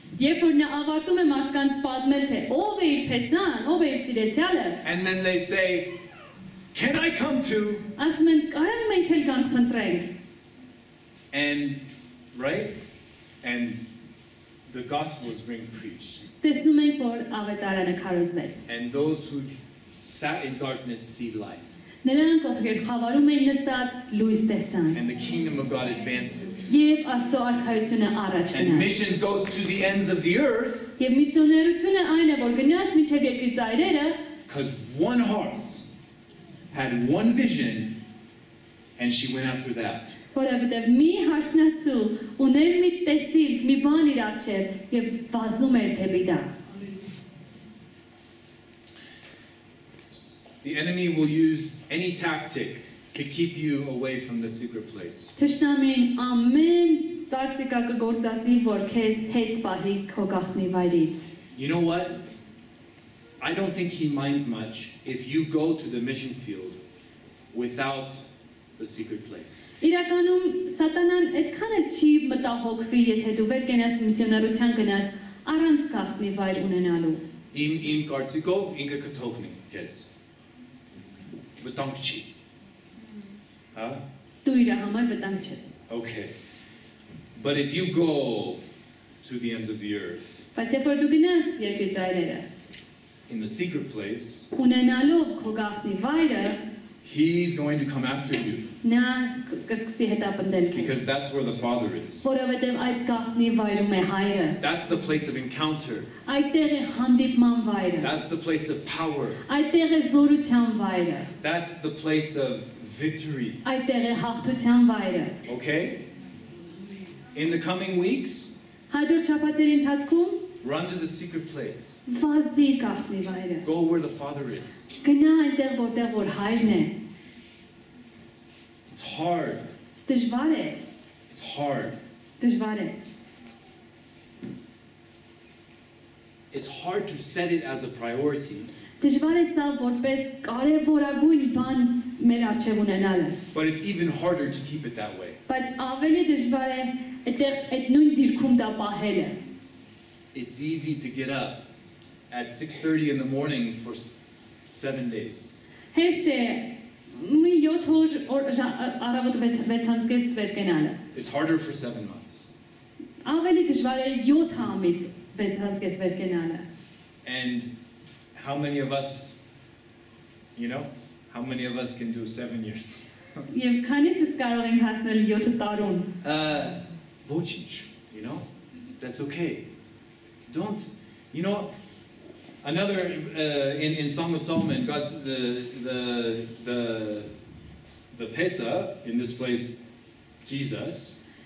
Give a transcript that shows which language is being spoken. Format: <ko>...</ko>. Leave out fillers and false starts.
<hy>Երբ որ նա ավարտում է մարդկանց պատմել, թե ով է իր պեսան, ով է իր սիրեցյալը։</hy> <en>And then they say, «Can I come too?»</en> <hy>Ասում են, «Կարո՞ղ ենք էլ գանք փնտրենք»։</hy> <en>And, right? And the gospel is being preached.</en> <hy>Տեսնում ենք, որ ավետարանը քարոզվեց։</hy> <en>And those who sat in darkness see light.</en> <hy>Նրանք, ովքեր խավարում էին նստած, լույս տեսան։</hy> <en>And the kingdom of God advances.</en> <hy>Եվ Աստծո արքայությունը առաջ գնաց։</hy> <en>And mission goes to the ends of the earth.</en> <hy>Եվ միսիոներությունը այն է, որ գնաց մինչև երկրի ծայրերը։</hy> <en>Because one heart had one vision and she went after that.</en> <hy>Որովհետև մի հարսնացու ուներ մի տեսիլ, մի բան իր առջև եւ վազում էր դեպի դա։</hy> <en>The enemy will use any tactic to keep you away from the secret place.</en> <hy>Թշնամին ամեն տակտիկա կգործածի, որ քեզ հետ պահի քո գաղտնի վայրից։</hy> <en>You know what? I don't think he minds much if you go to the mission field without the secret place.</en> <hy>Իրականում Սատանան այդքան էլ չի մտահոգվի, եթե դու վեր կենաս միսիոնարության գնաս առանց գաղտնի վայր ունենալու։ Իմ կարծիքով ինքը կթողնի քեզ։ Վտանգ չի։ Հա՞։ Դու իր համար վտանգ չես։</hy> <en>Okay. But if you go to the ends of the earth.</en> <hy>Բայց եթե դու գնաս երկրի ծայրերը։</hy> <en>In the secret place.</en> <hy>Ունենալով քո գաղտնի վայրը,</hy> <en>He's going to come after you.</en> <hy>Նա կսկսի հետապնդել քեզ։</hy> <en>Because that's where the Father is.</en> <hy>Որովհետև այդ գաղտնի վայրում է Հայրը։</hy> <en>That's the place of encounter.</en> <hy>Այդտեղ է հանդիպման վայրը։</hy> <en>That's the place of power.</en> <hy>Այդտեղ է զորության վայրը։</hy> <en>That's the place of victory.</en> <hy>Այդտեղ է հաղթության վայրը։</hy> <en>Okay? In the coming weeks,</en> <hy>հաջորդ շաբաթների ընթացքում</hy> <en>Run to the secret place.</en> <hy>Վազիր գաղտնի վայրը.</hy> <en>Go where the Father is.</en> <hy>Գնա այնտեղ, որտեղ որ հայրն է.</hy> <en>It's hard.</en> <hy>Դժվար է.</hy> <en>It's hard.</en> <hy>Դժվար է.</hy> <en>It's hard to set it as a priority.</en> <hy>Դժվար է սա որպես կարևորագույն բան մեր առջև ունենալը.</hy> <en>But it's even harder to keep it that way.</en> <hy>Բայց ավելի դժվար է այդտեղ այդ նույն դիրքում դա պահելը.</hy> <en>It's easy to get up at 6:30 in the morning for 7 days.</en> <hy>Հեշտ է մի 7 օր առավոտը 6:00-ից վեր գնալը.</hy> <en>It's harder for 7 months.</en> <hy>Ավելի դժվար է 7 ամիս 6:00-ից վեր գնալը.</hy> <en>And how many of us, you know, how many of us can do 7 years?</en> <hy>Եվ քանի՞ս է կարող ենք հասնել 7 տարուն.</hy> <en>Ոչինչ, you know? That's okay. Don't, you know, another in Song of Solomon, God's the Pesa in this place, Jesus.</en>